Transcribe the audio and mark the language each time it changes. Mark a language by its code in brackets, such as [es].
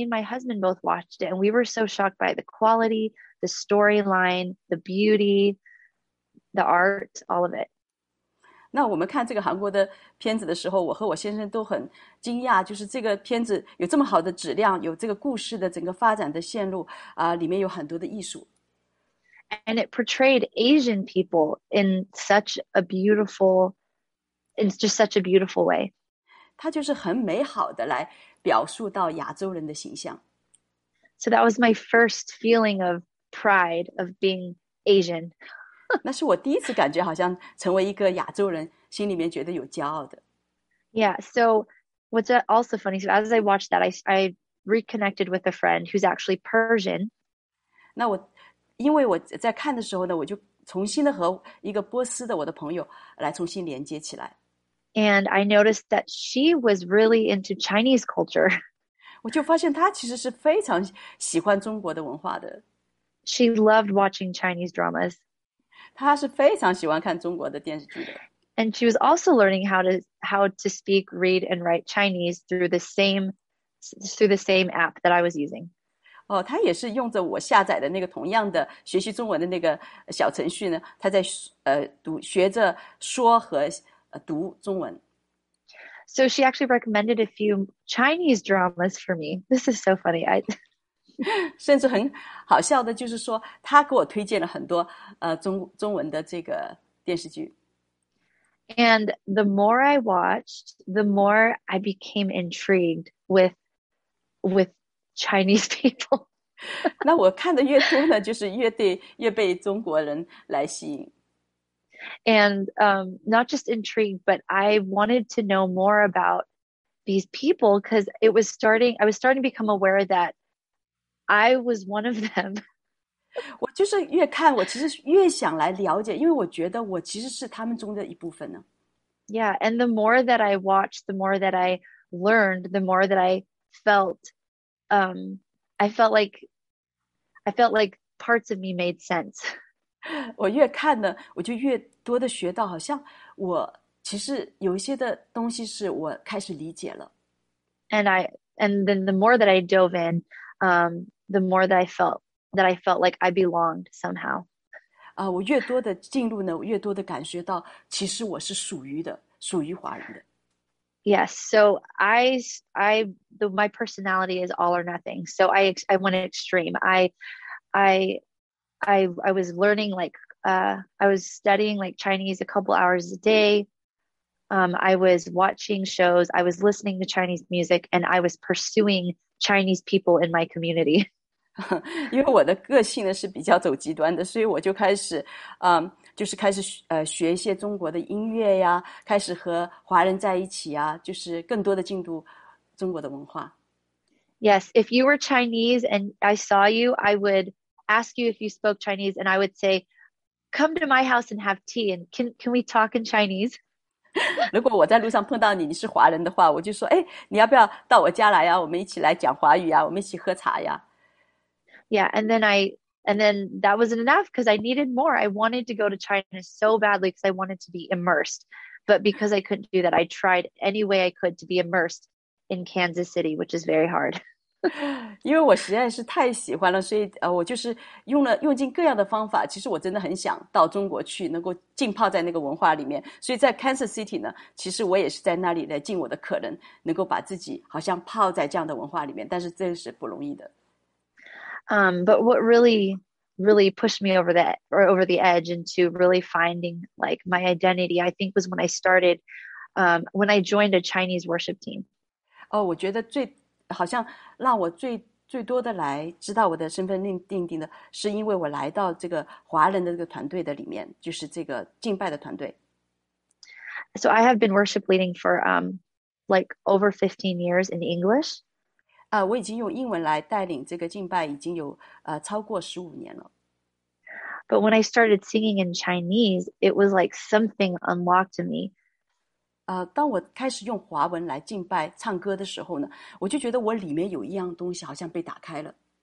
[en] Me and my husband both watched it, and we were so shocked by the quality, the storyline, the beauty, the art, all of it. [zh] 那我们看这个韩国的片子的时候，我和我先生都很惊讶，就是这个片子有这么好的质量，有这个故事的整个发展的线路里面有很多的艺术。 [en] And it portrayed Asian people in such a beautiful. It's just such a beautiful way. [zh] 它就是很美好的来表述到亚洲人的形象。 [en] So that was my first feeling of pride of being Asian. [zh] 那是我第一次感觉好像成为一个亚洲人，心里面觉得有骄傲的。 [en] Yeah, so what's also funny, so as I watched that, I reconnected with a friend who's actually Persian. [zh] 那我因为我在看的时候呢，我就重新的和一个波斯的我的朋友来重新连接起来。 [en] And I noticed that she was really into Chinese culture. [zh] 我就发现她其实是非常喜欢中国的文化的。 [en] She loved watching Chinese dramas. [zh] 她是非常喜欢看中国的电视剧的。 [en] And she was also learning how to speak, read, and write Chinese through the same app that I was using. [zh] 哦，她也是用着我下载的那个同样的学习中文的那个小程序呢，她在学着说和。读中文。 [en] So she actually recommended a few Chinese dramas for me. This is so funny. [zh] 甚至很好笑的就是说她给我推荐了很多中文的这个电视剧。 [en] And the more I watched, the more I became intrigued with Chinese people. [zh] 那我看的越多呢，就是越被中国人来吸引。 [en] And not just intrigued, but I wanted to know more about these people because I was starting to become aware that I was one of them. [zh] 我就是越看，我其实越想来了解，因为我觉得我其实是他们中的一部分呢。 [en] Yeah, and the more that I watched, the more that I learned, the more that I felt, I felt like parts of me made sense. [zh] 我越看呢，我就越多的学到，好像我其实有一些的东西是我开始理解了。 [en] And then the more that I dove in, the more that I felt. That I felt like I belonged somehow. [zh] 我越多的进入呢，我越多的感觉到，其实我是属于的，属于华人的。 [en] Yes, so my personality is all or nothing. So I went extreme. I was learning I was studying like Chinese a couple hours a day. I was watching shows. I was listening to Chinese music, and I was pursuing Chinese people in my community. [zh] 因为我的个性呢是比较走极端的，所以我就开始，就是开始学一些中国的音乐呀，开始和华人在一起啊，就是更多的进入中国的文化。 [en] Yes, if you were Chinese and I saw you, I would ask you if you spoke Chinese, and I would say, "Come to my house and have tea, and can we talk in Chinese?" [zh] 如果我在路上碰到你，你是华人的话，我就说，哎，你要不要到我家来呀？我们一起来讲华语呀，我们一起喝茶呀。 [en] Yeah, and then that wasn't enough because I needed more. I wanted to go to China so badly because I wanted to be immersed. But because I couldn't do that, I tried any way I could to be immersed in Kansas City, which is very hard. [zh] 因为我实在是太喜欢了，所以我就是用尽各样的方法。其实我真的很想到中国去，能够浸泡在那个文化里面。所以在 Kansas City 呢，其实我也是在那里来尽我的可能，能够把自己好像泡在这样的文化里面。但是这是不容易的。 [en] But what really, really pushed me over the edge into really finding like my identity, I think, was when I started, when I joined a Chinese worship team. [zh] Oh, 我觉得最好像让我最最多的来知道我的身份定的，是因为我来到这个华人的这个团队的里面，就是这个敬拜的团队。 [en] So I have been worship leading for like over 15 years in English. [zh] 我已经用英文来带领这个敬拜已经有超过15年了。 [en] But when I started singing in Chinese, it was like something unlocked in me. [zh] 当我开始用华文来敬拜唱歌的时候呢，我就觉得我里面有一样东西好像被打开了。